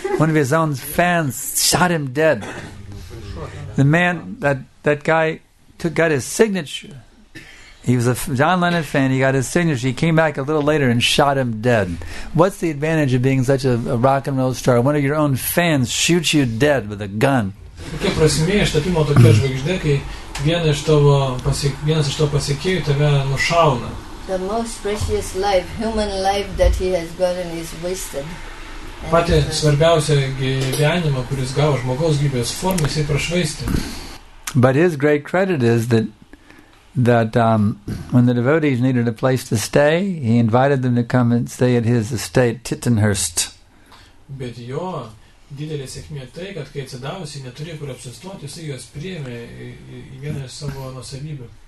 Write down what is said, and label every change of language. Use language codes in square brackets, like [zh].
[en] One of his own fans shot him dead. The man that guy got his signature. He was a John Lennon fan. He got his signature. He came back a little later and shot him dead. What's the advantage of being such a rock and roll star? One of your own fans shoots you dead with a gun. [lt] Kokia prasmė iš tapimo tokia žvaigždė, kai vienas iš to pasiekėjų tave nušauna. [en] The most precious life, human life that he has gotten is wasted. [lt] Pati svarbiausia gyvenimo, kuris gavo žmogaus gyvybės formą, jisai prašvaistė. [en] But his great credit is that when the devotees needed a place to stay, he invited them to come and stay at his estate, Tittenhurst. [lt] Bet jo didelė sėkmė tai, kad kai atsidavusi, neturėjo kur apsistoti, jisai juos priėmė į vieną iš savo nusavybių.